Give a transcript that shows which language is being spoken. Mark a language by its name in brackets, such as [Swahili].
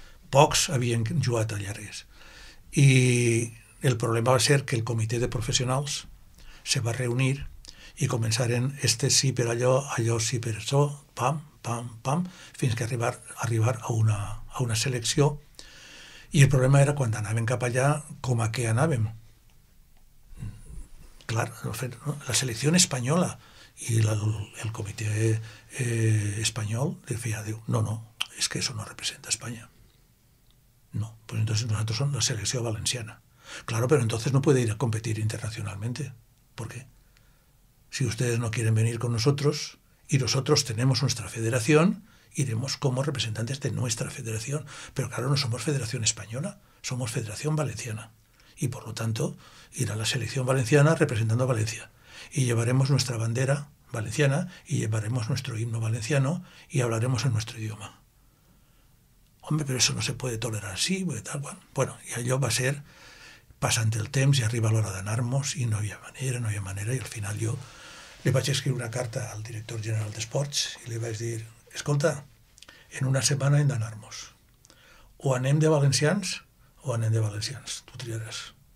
[Catalan] Pocs havien jugat a llargues. I el problema va ser que el comitè de professionals se va reunir i començaren este sí per allò, allò sí per això, pam, pam, pam, fins que arribar a una selecció. I el problema era quan anàvem cap allà, com a què anàvem. Clar, la selecció espanyola i el comitè espanyol de FIA diu, no, és que això no representa Espanya. [Spanish] No, pues entonces nosotros somos la selecció valenciana. Claro, pero entonces no puede ir a competir internacionalmente. ¿Por qué? Si ustedes no quieren venir con nosotros y nosotros tenemos nuestra federación, iremos como representantes de nuestra federación. Pero claro, no somos federación española, somos federación valenciana. Y por lo tanto, irá la selección valenciana representando a Valencia. Y llevaremos nuestra bandera valenciana y llevaremos nuestro himno valenciano y hablaremos en nuestro idioma. Hombre, pero eso no se puede tolerar así, pues tal, bueno. [Catalan] Bueno, y allò va ser passant el temps i arriba l'hora d'anar-nos i no hi ha manera i al final jo li vaig escriure una carta al director general d'Esports i li vaig dir, escolta, en una setmana hem d'anar-nos. O anem de valencians o anem de valencians, tu triaràs.